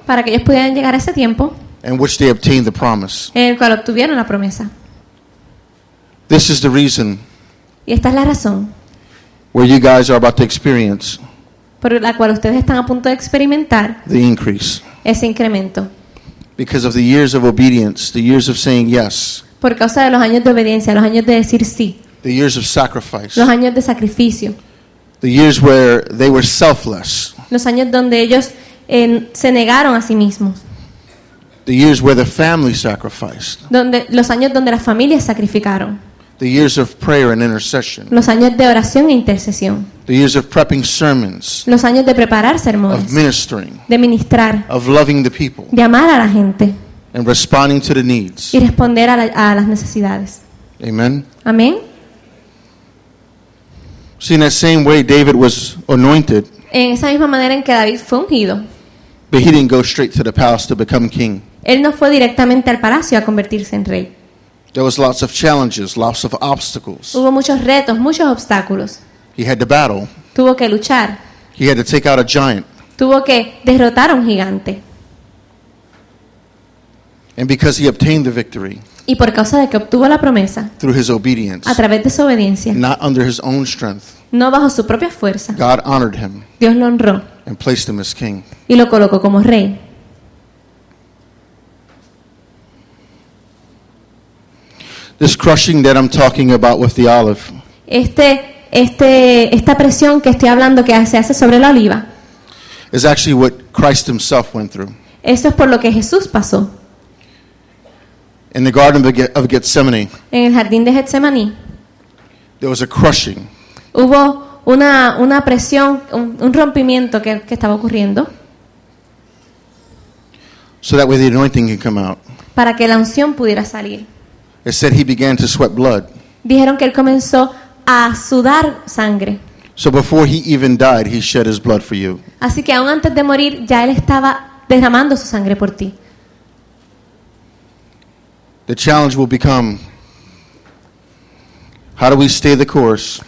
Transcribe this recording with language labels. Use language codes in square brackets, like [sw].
[es] Para que ellos pudieran llegar a ese tiempo. [en] In which they obtained the promise. [es] En el cual obtuvieron la promesa. [en] This is the reason. [es] Y esta es la razón. [en] Where you guys are about to experience. [es] Por la cual ustedes están a punto de experimentar. [en] The increase. [es] Ese incremento. [en] Because of the years of obedience, the years of saying yes. [es] Por causa de los años de obediencia, los años de decir sí. [en] The years of sacrifice. [es] Los años de sacrificio. [en] The years where they were selfless. [es] Los años donde ellos se negaron a sí mismos. [en] The years where the family sacrificed. [es] Donde los años donde las familias sacrificaron. [en] The years of prayer and intercession. [es] Los años de oración e intercesión. [en] The years of prepping sermons. [es] Los años de preparar sermones. [en] Of ministering. [es] De ministrar. [en] Of loving the people. [es] De amar a la gente. [en] And responding to the needs. [es] Y responder a las necesidades. [en] Amen. [es] Amén. [en] See, in the same way David was anointed. [es] En esa misma manera en que David fue ungido. [en] But he didn't go straight to the palace to become king. [es] Él no fue directamente al palacio a convertirse en rey. [en] There was lots of challenges, lots of obstacles. [es] Hubo muchos retos, muchos obstáculos. [en] He had to battle. [es] Tuvo que luchar. [en] He had to take out a giant. [es] Tuvo que derrotar a un gigante. [en] And because he obtained the victory. [es] Y por causa de que obtuvo la promesa. [en] Through his obedience. [es] A través de su obediencia. [en] Not under his own strength. [es] No bajo su propia fuerza. [en] God honored him. [es] Dios lo honró. [en] And placed him as king. [es] Y lo colocó como rey. [en] This crushing that I'm talking about with the olive. [es] Esta presión que estoy hablando que se hace sobre la oliva. [en] Is actually what Christ himself went through. [es] Esto es por lo que Jesús pasó. [en] In the garden of Gethsemane. [es] En el jardín de Getsemaní. [en] There was a crushing. [es] Hubo una presión, un rompimiento que estaba ocurriendo. [en] So that way the anointing could come out. [es] Para que la unción pudiera salir. [en] It said he began to sweat blood. [es] Dijeron que él comenzó a sudar sangre. [en] So before he even died, he shed his blood for you. [es] Así que aún antes de morir, ya él estaba derramando su sangre por ti. [en] The challenge will become, how do we stay the course?